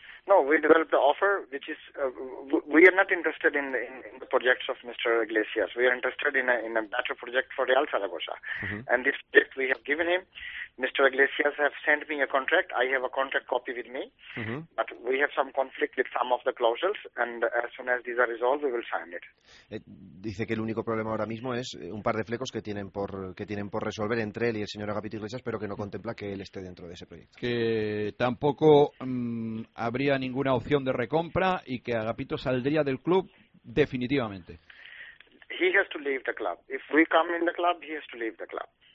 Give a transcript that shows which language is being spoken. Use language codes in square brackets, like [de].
[en] No, we developed the offer, which is we are not interested in the projects of Mr. Iglesias. We are interested in a better project for Real Zaragoza. Mm-hmm. And this project we have given him. Mr. Iglesias have sent me a contract. I have a contract copy with me. Mm-hmm. But we have some conflict with some of the clauses, and as soon as these are resolved, we will sign it. [es] Dice que el único problema ahora mismo es un par de flecos que tienen por resolver entre él y el señor Agapito Iglesias, pero que no contempla que él esté dentro de ese proyecto. Que tampoco habría ninguna opción de recompra y que Agapito saldría del club definitivamente. [en] He has to leave the club. If we come in the club, he has to leave the club.